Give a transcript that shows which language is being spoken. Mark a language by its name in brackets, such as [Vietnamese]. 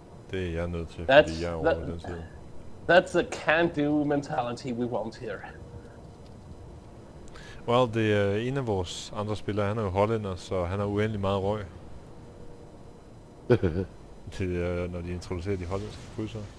[Danish] Det er jeg nødt til, fordi jeg er over den side. [English] That's the can-do mentality we want here. [Danish] Well, det er en af vores andre spillere, han er jo hollænder, så han har uendelig meget røg. Det er, når de introducerer de hollandske krydser.